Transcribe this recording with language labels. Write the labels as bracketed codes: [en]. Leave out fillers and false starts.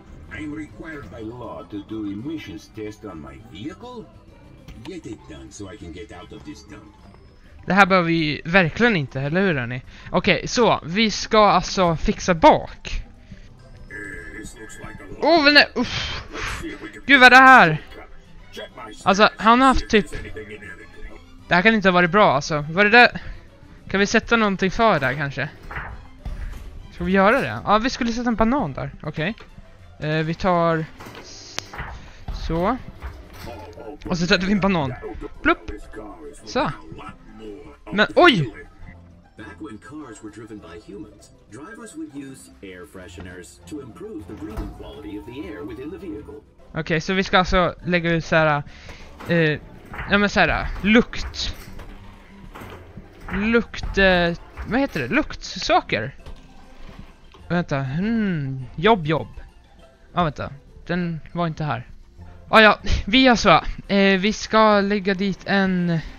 [en] I'm required by law to do emissions test on my vehicle. Get it done so I can get out of this dump. [sv] Det här behöver vi verkligen inte, eller hur, hörni? Okej, så. Vi ska alltså fixa bak. Åh, vänta! Gud, vad är det här? Alltså, han har haft typ... Det här kan inte ha varit bra, alltså. Var det där? Kan vi sätta någonting för där, kanske? Ska vi göra det? Ja, vi skulle sätta en banan där. Okej. Okay. Vi tar... Så. Och så sätter vi en banan. Plupp! Så. Men, oj! [en] Back when cars were driven by humans, drivers would use air fresheners to improve the breathing quality of the air within the vehicle. [sv] Okej, så vi ska alltså lägga ut såhär, ja men såhär, lukt. Lukt, vad heter det? Luktsaker. Vänta, jobb. Ja, vänta, den var inte här. Ah, ja, vi alltså, vi ska lägga dit en...